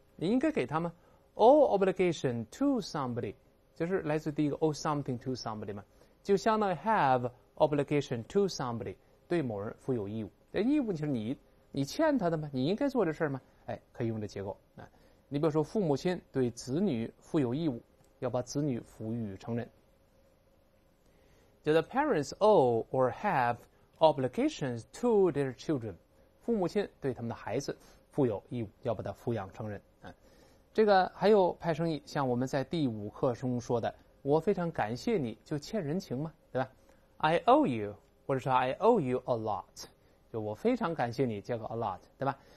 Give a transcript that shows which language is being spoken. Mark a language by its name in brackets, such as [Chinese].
[Chinese] 你应该给他们 [English] owe obligation to somebody， [Chinese] 就是来自第一个 [English] owe something to somebody [Chinese] 嘛，就相当于 [English] have obligation to somebody， [Chinese] 对某人负有义务。这义务就是你欠他的嘛，你应该做这事嘛，哎，可以用这结构啊。你比如说父母亲对子女负有义务。要把子女抚育成人。 [English] Do the parents owe or have obligations to their children? [Chinese] 父母亲对他们的孩子负有义务，要把他抚养成人。这个还有派生意，像我们在第五课中说的，我非常感谢你，就欠人情嘛，对吧 ？ [English] I owe you， [Chinese] 或者说 [English] I owe you a lot， [Chinese] 就我非常感谢你，加个 a lot， 对吧？